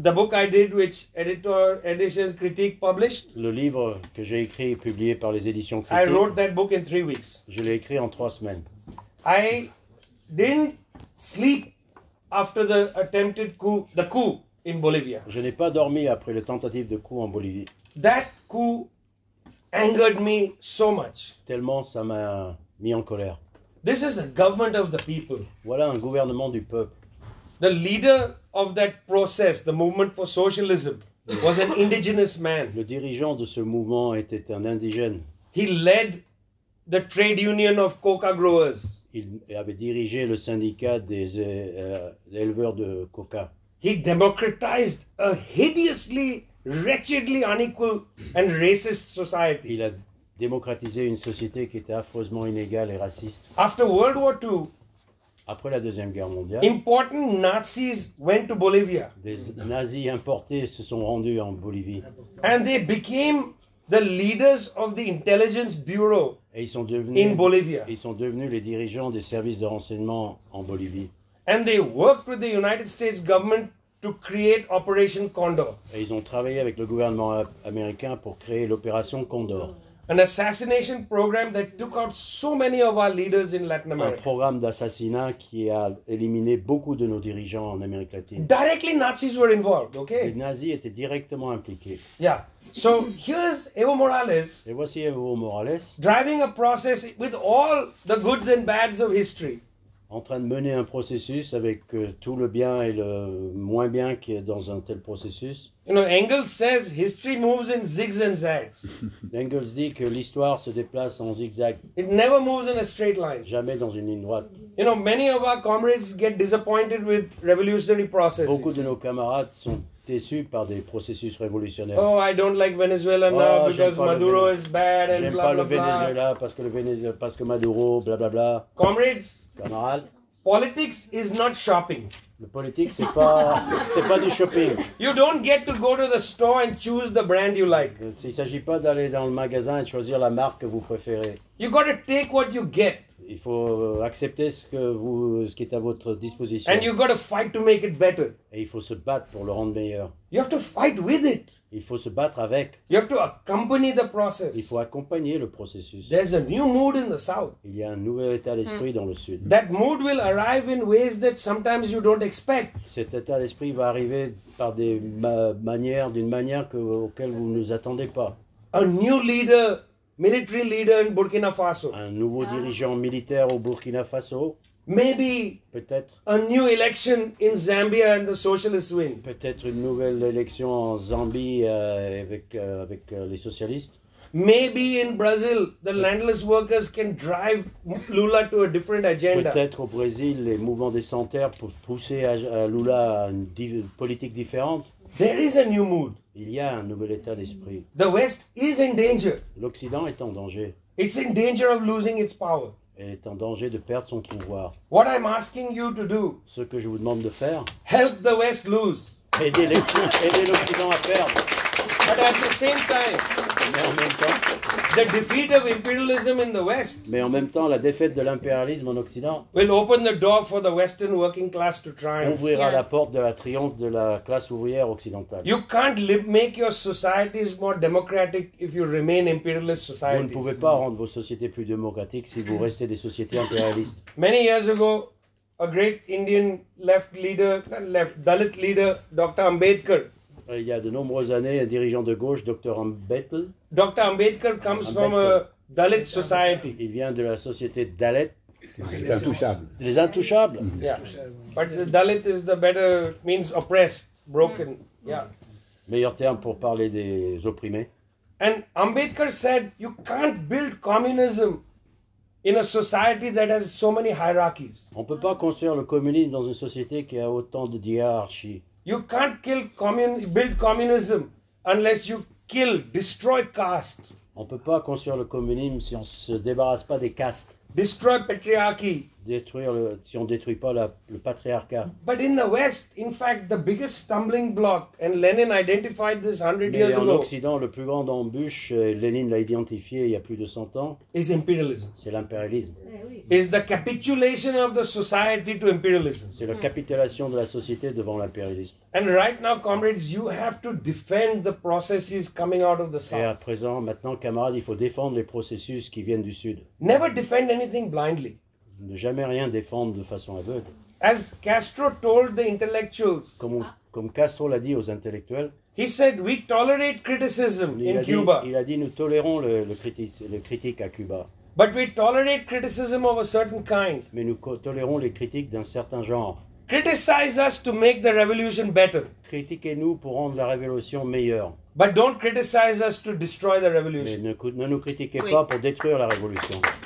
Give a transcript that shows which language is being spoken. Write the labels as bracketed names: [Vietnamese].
[English] The book I did, which editor edition critique published, [French] le livre que j'ai écrit publié par les éditions critiques, [English] I wrote that book in 3 weeks. [French] Je l'ai écrit en 3 semaines. [English] I didn't sleep after the attempted coup, the coup in Bolivia. [French] Je n'ai pas dormi après le tentative de coup en Bolivie. [English] That coup angered me so much. [French] Tellement ça m'a mis en colère. [English] This is a government of the people. [French] Voilà un gouvernement du peuple. [English] The leader of that process, the movement for socialism, was an indigenous man. [French] Le dirigeant de ce mouvement était un indigène. [English] He led the trade union of coca growers. [French] Il avait dirigé le syndicat des éleveurs de coca. [English] He democratized a hideously, wretchedly unequal and racist society. [French] Il a démocratisé une société qui était affreusement inégale et raciste. [English] After World War II, [French] après la Deuxième Guerre mondiale, [English] important Nazis went to Bolivia. [French] Des nazis importés se sont rendus en Bolivie. [English] And they became the leaders of the intelligence bureau. [French] Et ils sont devenus, [English] in Bolivia. [French] Ils sont devenus les dirigeants des services de renseignement en Bolivie. [English] And they worked with the United States government to create Operation Condor. [French] Et ils ont travaillé avec le gouvernement américain pour créer l'opération Condor. [English] An assassination program that took out so many of our leaders in Latin America. [French] Un programme d'assassinat qui a éliminé beaucoup de nos dirigeants en Amérique latine. [English] Directly Nazis were involved, okay? [French] Les nazis étaient directement impliqués. [English] Yeah. So here's Evo Morales. [French] Et voici Evo Morales. [English] Driving a process with all the goods and bads of history. [French] En train de mener un processus avec tout le bien et le moins bien qui est dans un tel processus. [English] You know, Engels says history moves in zigs and zags. [French] Engels dit que l'histoire se déplace en zigzag. [English] It never moves in a straight line. [French] Jamais dans une ligne droite. [English] You know, many of our comrades get disappointed with revolutionary processes. [French] Beaucoup de nos camarades sont déçus par des processus révolutionnaires. [English] Oh, I don't like Venezuela now because Maduro is bad and blah blah blah. [French] J'aime pas le Venezuela parce que Maduro, blah blah blah. [English] Comrades, [French] camarades, [English] politics is not shopping. [French] Le politique, c'est pas du shopping. [English] You don't get to go to the store and choose the brand you like. [French] Il s'agit pas d'aller dans le magasin et choisir la marque que vous préférez. [English] You got to take what you get. [French] Il faut accepter ce qui est à votre disposition. [English] And you got to fight to make it better. [French] Et il faut se battre pour le rendre meilleur. [English] You have to fight with it. [French] Il faut se battre avec. [English] You have to accompany the process. [French] Il faut accompagner le processus. [English] There's a new mood in the south. [French] Il y a un nouvel état d'esprit dans le sud. [English] That mood will arrive in ways that sometimes you don't expect. [French] Cet état d'esprit va arriver par des manières, d'une manière auxquelles vous ne vous attendez pas. [English] A new leader, military leader in Burkina Faso. [French] Un nouveau dirigeant militaire au Burkina Faso. [English] Maybe [French] peut-être [English] a new election in Zambia and the socialists win. [French] Peut-être une nouvelle élection en Zambie avec les socialistes. [English] Maybe in Brazil the landless workers can drive Lula to a different agenda. [French] Peut-être au Brésil les mouvements des sans terre peuvent pousser à Lula à une politique différente. [English] There is a new mood. [French] Il y a un nouvel état d'esprit. [English] The West is in danger. [French] L'Occident est en danger. [English] It's in danger of losing its power. [French] Elle est en danger de perdre son pouvoir. [English] What I'm asking you to do, [French] ce que je vous demande de faire, [English] help the West lose. [French] Aider l'Occident à perdre. [English] But at the same time, [French] mais en même temps, [English] the defeat of imperialism in the West, [French] mais en même temps, la défaite de l'impérialisme en Occident, [English] will open the door for the Western working class to triumph. [French] Ouvrira la porte de la triomphe de la classe ouvrière occidentale. [English] You can't make your societies more democratic if you remain imperialist societies. [French] Vous ne pouvez pas rendre vos sociétés plus démocratiques si vous restez des sociétés impérialistes. [English] Many years ago, a great Indian left leader, Dalit leader, Dr. Ambedkar. [French] Il y a de nombreuses années, un dirigeant de gauche, Dr. Ambedkar. [English] Dr. Ambedkar comes from a Dalit society. [French] Il vient de la société Dalit. Les intouchables. Les intouchables. Mm-hmm. Yeah. [English] But the Dalit is the better means oppressed, broken. Mm-hmm. Yeah. [French] Meilleur terme pour parler des opprimés. [English] And Ambedkar said, you can't build communism in a society that has so many hierarchies. [French] On peut pas construire le communisme dans une société qui a autant de hiérarchies. [English] You can't build communism unless you kill, destroy caste. [French] On peut pas construire le communisme si on se débarrasse pas des castes. [English] Destroy patriarchy. [French] Détruire le, si on détruit pas le patriarcat. [English] But in the West, in fact, the biggest stumbling block, and Lenin identified this 100 years ago. [French] Mais en Occident, le plus grand embûche, Lenin l'a identifié il y a plus de 100 ans. [English] Is imperialism. [French] C'est l'impérialisme. [English] Is the capitulation of the society to imperialism. [French] C'est la capitulation de la société devant l'impérialisme. [English] And right now, comrades, you have to defend the processes coming out of the South. [French] Et à présent, maintenant, camarades, il faut défendre les processus qui viennent du Sud. [English] Never defend anything blindly. [French] Ne jamais rien défendre de façon aveugle. [English] As Castro told the intellectuals, [French] comme Castro l'a dit aux intellectuels, [English] he said, we tolerate criticism in Cuba. [French] Il a dit, nous tolérons le critique à Cuba. [English] But we tolerate criticism of a certain kind. [French] Mais nous tolérons les critiques d'un certain genre. [English] Criticize us to make the revolution better. [French] Critiquez-nous pour rendre la révolution meilleure. [English] But don't criticize us to destroy the revolution. [French] Mais ne nous critiquez pas pour détruire la révolution.